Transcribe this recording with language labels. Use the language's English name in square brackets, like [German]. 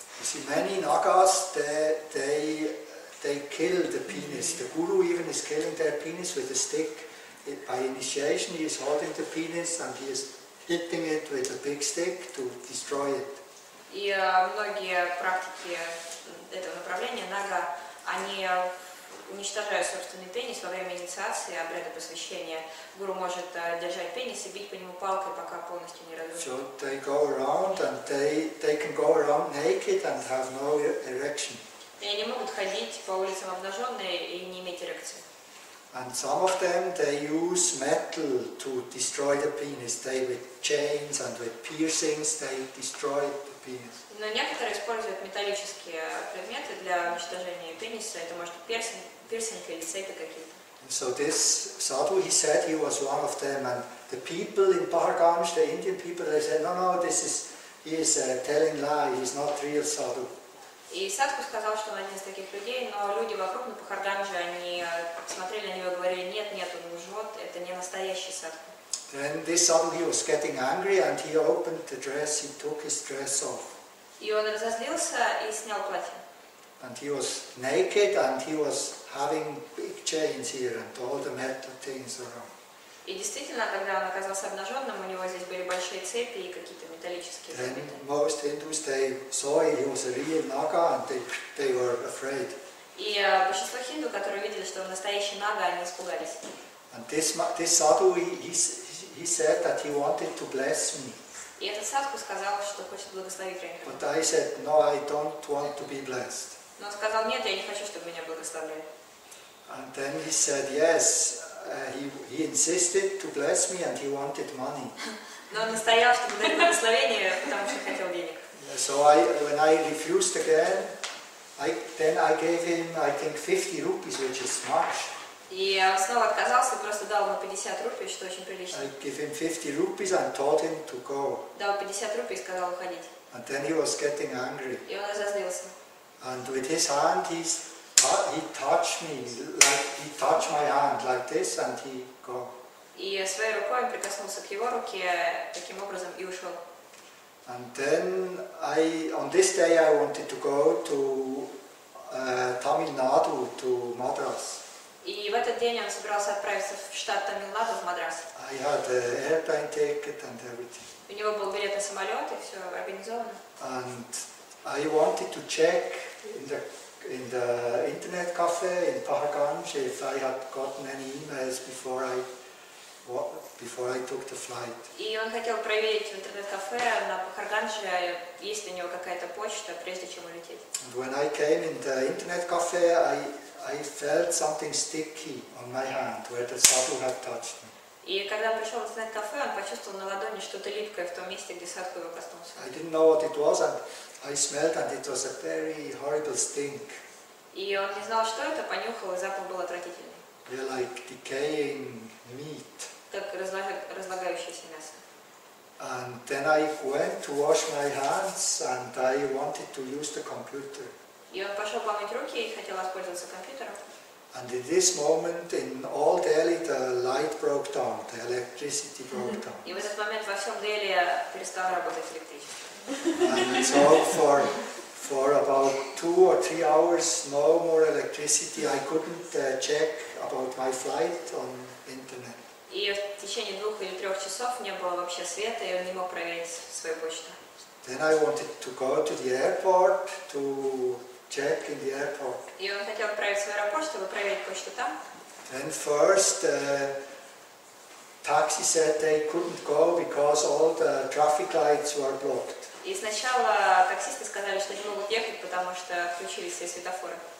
[English] You see, many Nagas, they kill the penis. The guru even is killing their penis with a stick. By initiation, he is holding the penis and he is hitting it with a big stick to destroy it. [Russian] И многие практики этого направления, нага, они уничтожают собственный пенис во время инициации, обряда посвящения. Гуру может держать пенис и бить по нему палкой, пока полностью не разрушится. [English] So they go around and they can go around naked and have no erection. [Russian] И они могут ходить по улицам обнаженные и не иметь эрекции. [English] And some of them, they use metal to destroy the penis. They with chains and with piercings, they destroy the penis. [Russian] Но некоторые используют металлические предметы для уничтожения пениса. Это может пирсинг или цепи какие-то. [English] So this sadhu, he said he was one of them. And the people in Bar Ganges, the Indian people, they said, no, he is telling lies, he's not real sadhu. [Russian] И садху сказал, что он один из таких людей, но люди вокруг на Пахарганже, они смотрели на него и говорили, нет, он лжет, это не настоящий садху. [English] Then this sadhu, he was getting angry and he opened the dress, he took his dress off. [Russian] И он разозлился и снял платье. [English] And he was naked and he was having big chains here and all the metal things around. [Russian] И действительно, когда он оказался обнаженным, у него здесь были большие цепи и какие-то металлические цепи. [English] Then most Hindus, they saw he was a real Naga and they were afraid. [Russian] И большинство хинду, которые видели, что он настоящий Нага, они испугались. [English] And this sadhu, he said that he wanted to bless me. [Russian] И этот садху сказал, что хочет благословить Ренка. [English] But I said, no, I don't want to be blessed. [Russian] Но он сказал, нет, я не хочу, чтобы меня благословляли. [English] And then he said, yes. He insisted to bless me and he wanted money. [Russian] Но он настоял, чтобы дать благословение, потому что хотел денег. [English] So when I refused again, I gave him, I think, 50 rupees, which is much. [Russian] И он снова отказался и просто дал ему 50 рупий, что очень прилично. [English] I gave him 50 rupees and told him to go. [Russian] Дал 50 рупий и сказал уходить. [English] And then he was getting angry. [Russian] И он разозлился. [English] And with his hand, he touched my hand like this, and he go. [Russian] И своей рукой прикоснулся к его руке таким образом и ушел. [English] And then on this day I wanted to go to Tamil Nadu, to Madras. [Russian] И в этот день он собирался отправиться в штат Тамил-Наду, в Мадрас. [English] I had an airplane ticket and everything. [Russian] У него был билет на самолет и все организовано. [English] And I wanted to check in the internet cafe in Pahargansh if I had gotten any emails before I what, before I took the flight. [Russian] И он хотел проверить в интернет-кафе на Пахарганджи, есть ли у него какая-то почта, прежде чем улететь. [English] And when I came in the internet cafe, I felt something sticky on my hand, where the sadhu had touched me. [Russian] И когда он пришел в интернет-кафе, он почувствовал на ладони что-то липкое в том месте, где садху его коснулся. [English] I didn't know what it was, and I smelled, and it was a very horrible stink. [Russian] И он не знал, что это, понюхал, и запах был отвратительный. [English] Yeah, like decaying meat. [Russian] Так разлагающееся мясо. [English] And then I went to wash my hands, and I wanted to use the computer. [Russian] И он пошел помыть руки и хотел воспользоваться компьютером. [English] And in this moment, in all Delhi, the light broke down, the electricity broke down. [Russian] И в этот момент во всем Дели перестало работать электричество. [English] And so for about 2 or 3 hours, no more electricity. I couldn't check about my flight on internet. [Russian] И в течение 2 или 3 часов не было вообще света, и он не мог проверить свою почту. [English] Then I wanted to go to the airport to check in the airport. [Russian] И он хотел отправиться в аэропорт, чтобы проверить почту там. [English] Then first taxi said they couldn't go because all the traffic lights were blocked. [Russian] И сначала таксисты сказали, что не могут ехать, потому что включились все светофоры.